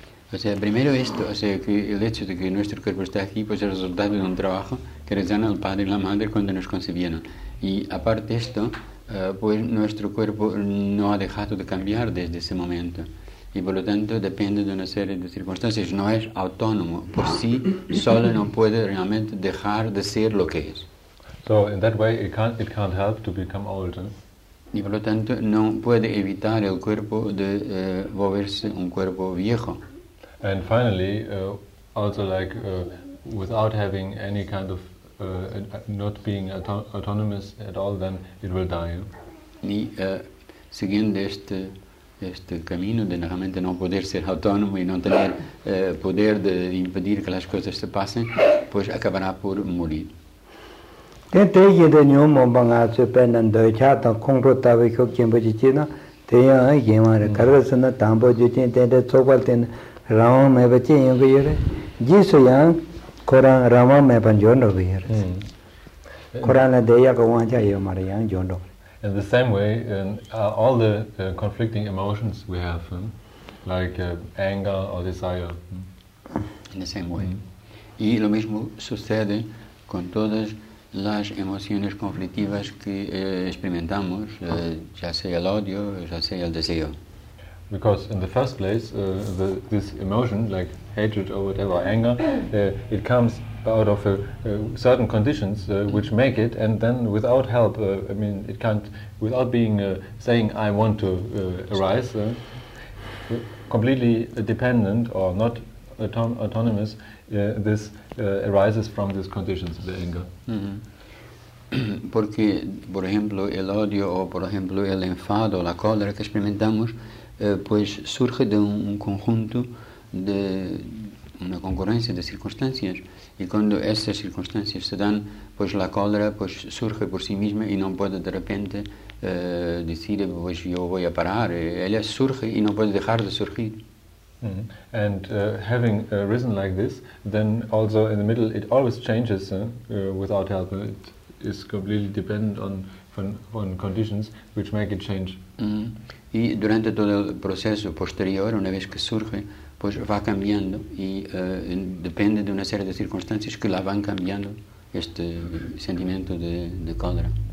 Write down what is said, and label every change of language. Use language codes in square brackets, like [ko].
[es] O sea, primero esto, o sea, que el hecho de que nuestro cuerpo está aquí, pues es el resultado de un trabajo que realizaron el padre y la madre cuando nos concibieron. Y aparte esto, pues nuestro cuerpo no ha dejado de cambiar desde ese momento. Y por lo tanto depende de una serie de circunstancias. No es autónomo. Por sí solo no puede realmente dejar de ser lo que es. [en] So in that way it can't help to become older. [es] Y por lo tanto no puede evitar el cuerpo de volverse un cuerpo viejo. [en] And finally, also like without having any kind of not being autonomous at all, then it will die. [es] Y siguiendo este camino de realmente no poder ser autónomo y no tener poder de impedir que las cosas se pasen, pues acabará por morir. Desde que de nuevo vamos a ser tan dejado, compro tabaco quien puede decirlo, tenía que llamar a cargarse en el tambo, yo tenía de todo el tiempo. Rama me bache yo que yo jis yang koran rama me panjon do yo koran la deya ko wan cha yo mar yang jon do. [en] In the same way, all the conflicting emotions we have, like anger or desire. In the same way. [es] Y lo mismo sucede con todas las emociones conflictivas que experimentamos, ya sea el odio, ya sea el deseo. [en] Because in the first place, this emotion, like hatred or whatever, anger, it comes out of certain conditions which make it, and then without help, it can't, without being saying, I want to arise, completely dependent or not autonomous, this arises from these conditions, the anger. Mm-hmm. [es] Porque, por ejemplo, el odio o, por ejemplo, el enfado, la cólera que experimentamos, pues surge de un conjunto de una concurrencia de circunstancias, y cuando esas circunstancias se dan, pues la cólera pues surge por sí misma y no puede de repente decir pues yo voy a parar, ella surge y no puede dejar de surgir. [en] And having risen like this, then also in the middle it always changes without help. It is completely dependent on conditions which make it change. [es] Y durante todo el proceso posterior, una vez que surge, pues va cambiando y depende de una serie de circunstancias que la van cambiando, este sentimiento de cólera.